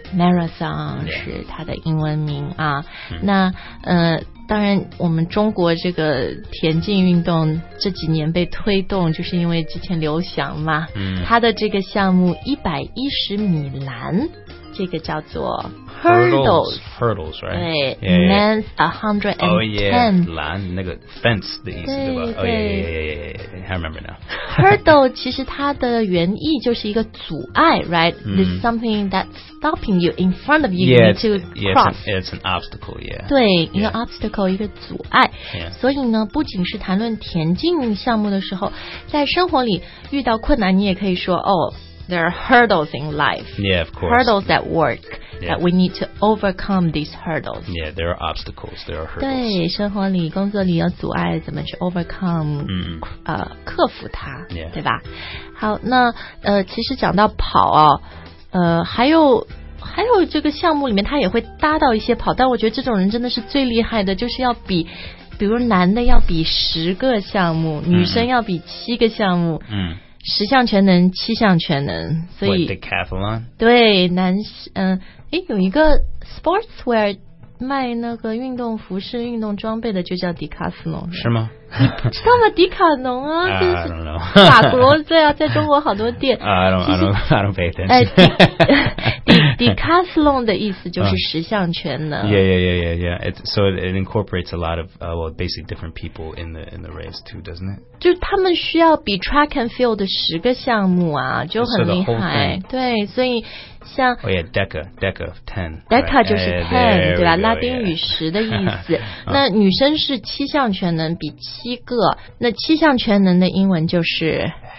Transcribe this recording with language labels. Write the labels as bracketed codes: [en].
[zh] marathon 是它的英文名啊。那当然我们中国这个田径运动这几年被推动，就是因为之前刘翔嘛，他的这个项目110米栏，这个叫做 hurdles [en] right? [zh] 对 men's 110 [en] oh yeah [zh] 栏那个 [en] fence [zh] 的意思 对吧 [en] oh yeah I remember now [zh] hurdle 其实它的原意就是一个阻碍 right? [en] It's something that's stopping you in front of you yeah, you need to cross it's an obstacle yeah [zh] 对 [en] yeah. [zh] 一个 obstacle 一个阻碍、 [en] yeah. [zh] 所以呢不仅是谈论田径项目的时候，在生活里遇到困难你也可以说哦 [en] There are hurdles in life. Yeah, of course. Hurdles at work. That we need to overcome these hurdles. Yeah, there are obstacles. There are hurdles. [zh] 对，生活里、工作里有阻碍，怎么去 overcome？克服它， [en] yeah. [zh] 对吧？好，那其实讲到跑啊，还有这个项目里面，它也会搭到一些跑，但我觉得这种人真的是最厉害的，就是要比。比如男的要比10个项目，女生要比7个项目。十项全能，七项全能，所以 [en] What, decathlon? [zh] 对男，有一个 sportswear 卖那个运动服饰、运动装备的，就叫迪卡侬龙，是吗？你不知道吗？迪卡侬啊，就是法国，对啊，在中国好多店。 [en] I don't pay attention. [zh] 迪卡侬龙的意思就是十项全能。 [en] Yeah. It incorporates a lot of basically different people in the race too, doesn't it? [zh] 就他们需要比 track and field 10个项目啊，就很厉害。对，所以像 [en] oh yeah, deca ten, [zh] deca 就是 ten， 对吧？ [en] Go, [zh] 拉丁语十的意思。那女生是7项全能，比7个。那七项全能的英文就是